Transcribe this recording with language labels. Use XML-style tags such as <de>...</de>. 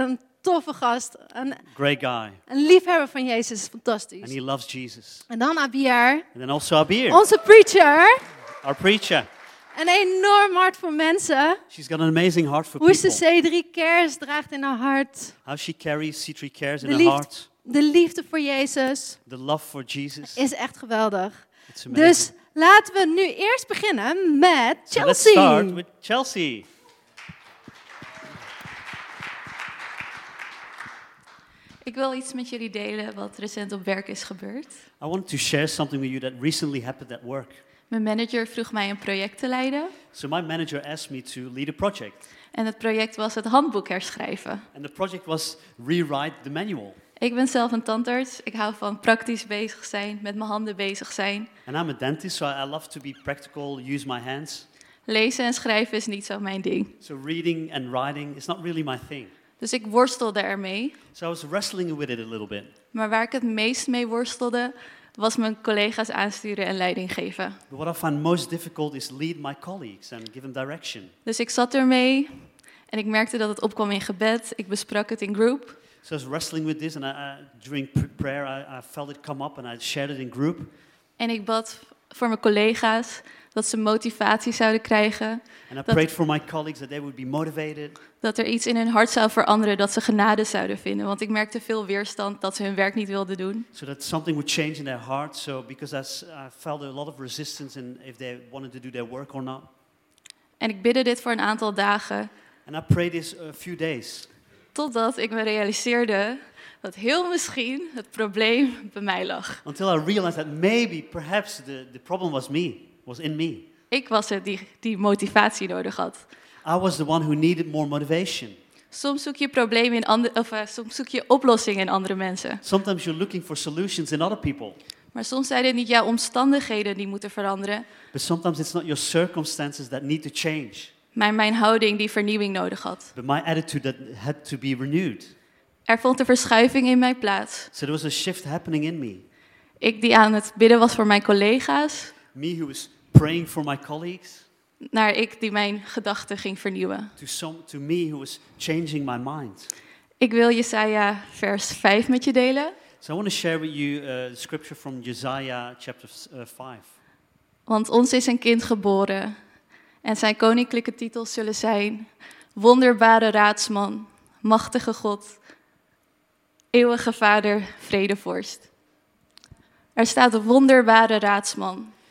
<nl>Een toffe gast. Een</nl> <en>great guy.</en> <nl>Een liefhebber van Jezus. Fantastisch.</nl> <en>And he loves Jesus.</en> <nl>En dan Abier.</nl> <en>And then also Abier.</en> <nl>Onze preacher.</nl> <en>Our preacher.</en> <nl>Een enorm hart voor mensen.</nl> <en>She's got an amazing heart for people.</en> <nl>Hoe ze C3 Cares draagt in haar hart.</nl> <en>How she carries C3 Cares in her heart.</en> <nl>De liefde voor Jezus.</nl> <en>The love for Jesus.</en> <nl>Is echt geweldig.</nl> <en>It's amazing.</en> <nl>Dus laten we nu eerst beginnen met Chelsea.</nl> <en>So let's start with Chelsea.</en> <nl>Ik wil iets met jullie delen wat recent op werk is gebeurd.</nl> <en>I want to share something with you that recently happened at work.</en> <nl>Mijn manager vroeg mij een project te leiden.</nl> <en>So my manager asked me to lead a project.</en> <nl>En het project was het handboek herschrijven.</nl> <en>And the project was rewrite the manual.</en> <nl>Ik ben zelf een tandarts. Ik hou van praktisch bezig zijn, met mijn handen bezig zijn.</nl> <en>And I'm a dentist, so I love to be practical, use my hands.</en> <nl>Lezen en schrijven is niet zo mijn ding.</nl> <en>So reading and writing is not really my thing.</en> <nl>Dus ik worstelde ermee.</nl> <en>So I was wrestling with it a little bit.</en> <nl>Maar waar ik het meest mee worstelde, was mijn collega's aansturen en leiding geven.</nl> <en>But what I find most difficult is lead my colleagues and give them direction.</en> <nl>Dus ik zat ermee en ik merkte dat het opkwam in gebed. Ik besprak het in groep.</nl> <en>So I was wrestling with this and during prayer I felt it come up and I shared it in group.</en> <nl>En ik bad voor mijn collega's dat ze motivatie zouden krijgen.</nl> <en>And I prayed for my colleagues that they would be motivated.</en> <nl>Dat er iets in hun hart zou veranderen, dat ze genade zouden vinden. Want ik merkte veel weerstand dat ze hun werk niet wilden doen.</nl> <en>So that something would change in their heart. So because I felt a lot of resistance in if they wanted to do their work or not.</en> <nl>En ik bidde dit voor een aantal dagen.</nl> <en>And I prayed this a few days.</en> <nl>Totdat ik me realiseerde dat heel misschien het probleem bij mij lag.</nl> <en>Until I realized that maybe perhaps the problem was me. Was in me.</en> <nl>Ik was het die motivatie nodig had.</nl> <en>I was the one who needed more motivation.</en> <nl>Soms zoek je problemen in soms zoek je oplossingen in andere mensen.</nl> <en>Sometimes you're looking for solutions in other people.</en> <nl>Maar soms zijn het niet jouw omstandigheden die moeten veranderen.</nl> <en>But sometimes it's not your circumstances that need to change.</en> <nl>Maar mijn houding die vernieuwing nodig had.</nl> <en>But my attitude that had to be renewed.</en> <nl>Er vond een verschuiving in mij plaats.</nl> <en>So there was a shift happening in me.</en> <nl>Ik die aan het bidden was voor mijn collega's.</nl> <en>Me who was praying for my colleagues.</en> <nl>Naar ik die mijn gedachten ging vernieuwen.</nl> <en>To me who was changing my mind.</en> <nl>Ik wil Jesaja vers 5 met je delen.</nl> <en>So I want to share with you the scripture from Jesaja chapter 5.</en> <nl>Want ons is een kind geboren. En zijn koninklijke titels zullen zijn. Wonderbare raadsman. Machtige God. Eeuwige vader. Vredevorst. Er staat een wonderbare raadsman.</nl>